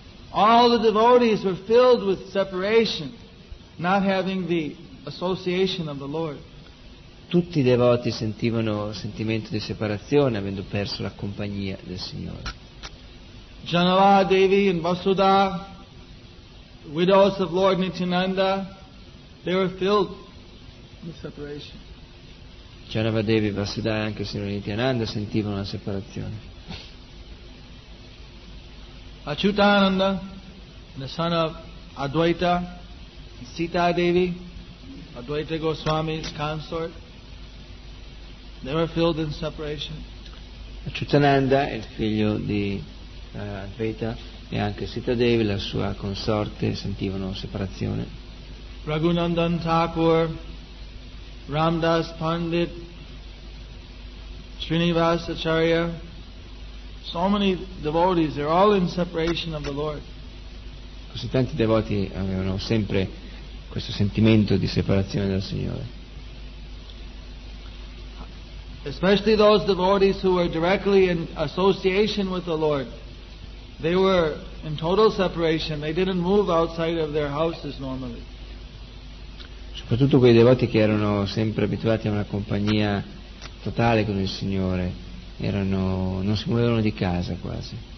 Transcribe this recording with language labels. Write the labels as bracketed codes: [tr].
[en] all the devotees were filled with separation, not having the association of the Lord. [it] Tutti i devoti sentivano sentimento di separazione, avendo perso la compagnia del Signore. [en] Janala Devi and Vasudha, widows of Lord Nityananda, they were filled with separation. [it] Janava Devi, Vasudha e anche il Signore Nityananda sentivano la separazione. [en] Achyutananda, the son of Advaita, Sita Devi, Advaita Goswami's consort, they were filled in separation. [it] Achyutananda, il figlio di Advaita, e anche Sita Devi, la sua consorte, sentivano separazione. [en] Raghunandan Thakur, Ramdas Pandit, Srinivas Acharya, so many devotees, they're all in separation of the Lord. [it] Così tanti devoti avevano sempre questo sentimento di separazione dal Signore. [en] Especially those devotees who were directly in association with the Lord. They were in total separation. They didn't move outside of their houses normally. [it] Soprattutto quei devoti che erano sempre abituati a una compagnia totale con il Signore, non si muovevano di casa quasi.